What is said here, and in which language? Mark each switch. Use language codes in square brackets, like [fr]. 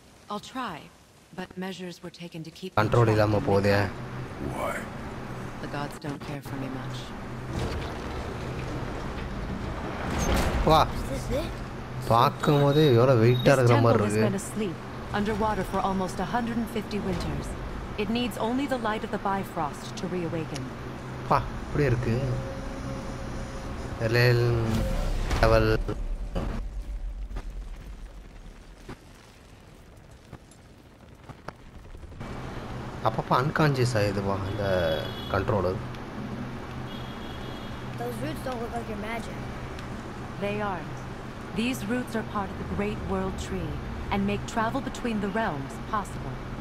[en] I'll try, but measures were taken to keep control of my body. Why? The gods don't care for me much. Wow. Is this it? [ta] பாக்கும்போதே எவ்வளவு வெயிட்டா இருக்கிற மாதிரி இருக்கு. [en] This temple has been asleep underwater for almost 150 winters. It needs only the light of the Bifrost to reawaken. [ta] பா, இப்படி இருக்கு. Level அப்பப்போ unconscious ஆயிடுவா அந்த controller. [en] Those roots don't look like your magic. They aren't. These roots are part of the great world tree and make travel between the realms possible.